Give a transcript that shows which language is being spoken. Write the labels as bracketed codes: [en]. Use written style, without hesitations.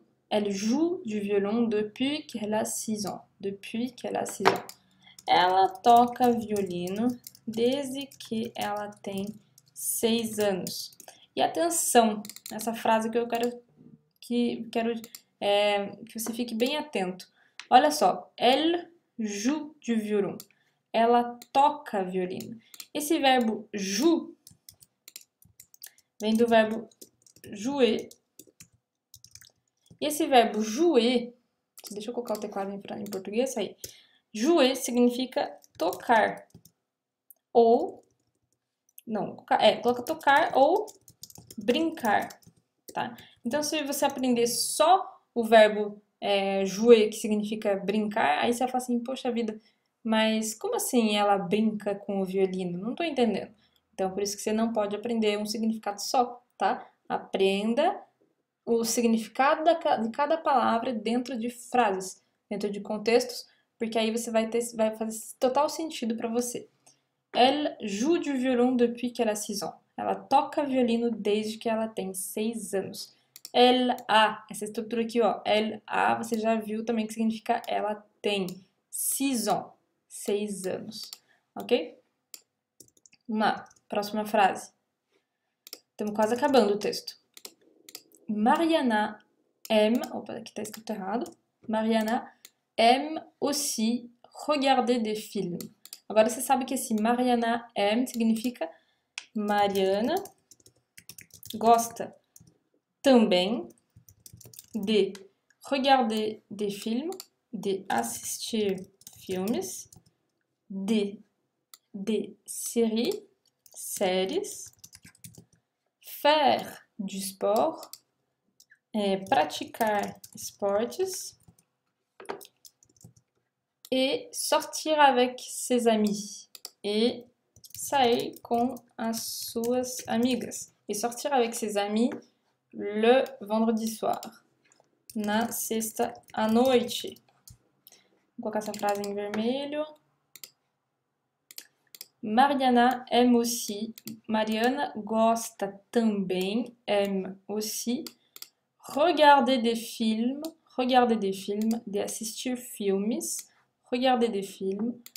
[fr] Elle joue du violon depuis qu'elle a 6 ans. Depuis qu'elle a 6 ans. [pt] Ela toca violino desde que ela tem 6 anos. E atenção, essa frase que eu quero que você fique bem atento. Olha só, [fr] elle joue du violon. [pt] Ela toca violino. Esse verbo joue vem do verbo jouer. E esse verbo jouer, deixa eu colocar o teclado em português aí. Jouer significa tocar ou não, coloca tocar ou brincar, tá? Então, se você aprender só o verbo jouer, que significa brincar, aí você vai falar assim, poxa vida, mas como assim ela brinca com o violino? Não tô entendendo. Então, por isso que você não pode aprender um significado só, tá? Aprenda o significado de cada palavra dentro de frases, dentro de contextos, porque aí você vai fazer total sentido para você. [fr] Elle joue du violon depuis qu'elle a 6 ans. [pt] Ela toca violino desde que ela tem 6 anos. [fr] Elle a, [pt] essa estrutura aqui, ó. Elle a, você já viu também que significa ela tem 6 ans. 6 anos. Ok? Vamos lá. Próxima frase. Estamos quase acabando o texto. Mariana aime. Opa, aqui tá escrito errado. [fr] Mariana aime aussi regarder des films. [pt] Agora você sabe que esse Mariana aime significa. Mariana gosta também de [fr] regarder des films, [pt] de assistir filmes, de séries, [fr] faire du sport, [pt] praticar esportes e [fr] sortir avec ses amis et [pt] sair com as suas amigas. [fr] E sortir avec ses amis le vendredi soir. [pt] Na sexta à noite. Vou colocar essa frase em vermelho. [fr] Mariana aime aussi. [pt] Mariana gosta também. [fr] Aime aussi. Regarder des films. Regarder des films. [pt] De assistir filmes. [fr] Regarder des films.